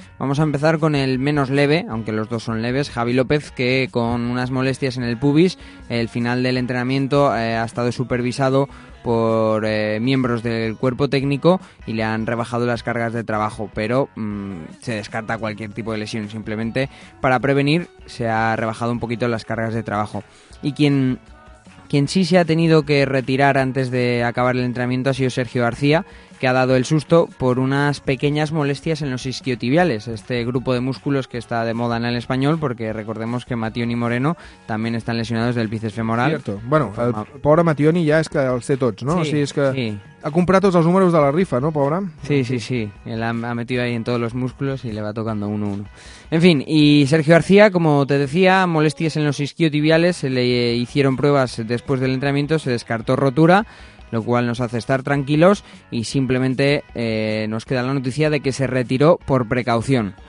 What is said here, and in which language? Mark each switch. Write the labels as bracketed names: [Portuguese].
[Spanish] Vamos a empezar con el menos leve, aunque los dos son leves, Javi López, que con unas molestias en el pubis, el final del entrenamiento ha estado supervisado por miembros del cuerpo técnico y le han rebajado las cargas de trabajo, pero se descarta cualquier tipo de lesión, simplemente para prevenir se ha rebajado un poquito las cargas de trabajo. Y quien Quien sí se ha tenido que retirar antes de acabar el entrenamiento ha sido Sergio García, que ha dado el susto por unas pequeñas molestias en los isquiotibiales, este grupo de músculos que está de moda en el español, porque recordemos que Mationi y Moreno también están lesionados del bíceps femoral. Cierto. [Catalan] Bueno, el pobre Mationi ja és que els té tots, no? Sí, o sigui, és que sí. Ha comprat tots els números de la rifa, no, pobre? Sí, sí, sí. [Spanish] Él ha metido ahí en todos los músculos y le va tocando uno a uno. En fin, y Sergio García, como te decía, molestias en los isquiotibiales, se le hicieron pruebas después del entrenamiento, se descartó rotura, lo cual nos hace estar tranquilos y simplemente nos queda la noticia de que se retiró por precaución.